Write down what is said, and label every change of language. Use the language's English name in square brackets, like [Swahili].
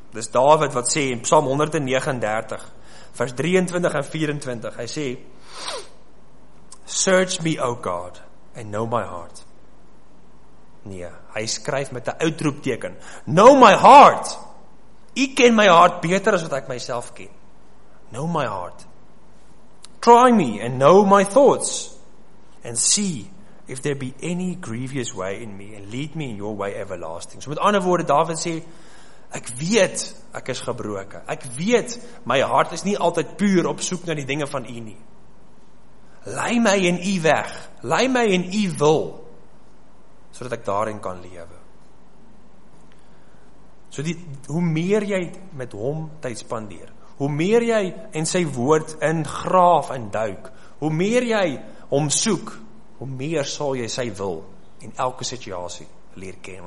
[Afrikaans] Dit is David wat sê in Psalm 139 vers 23 en 24, hy sê, [English] search me, O God, and know my heart. [Afrikaans] Nee, hy skryf met 'n uitroepteken, [English] know my heart, [Afrikaans] ek ken my hart beter as wat ek myself ken. [English] Know my heart. Try me, and know my thoughts, and see if there be any grievous way in me, and lead me in your way everlasting. [Afrikaans] So met ander woorde, David sê, ek weet, ek is gebroken. Ek weet, my hart is nie altyd puur op soek na die dinge van u nie. Lei my in u weg. Lei my in u wil. Sodat ek daarin kan lewe. So die, hoe meer jy met hom tyd spandeer, hoe meer jy in sy woord in graaf en duik, hoe meer jy hom soek, hoe meer sal jy sy wil in elke situasie leer ken.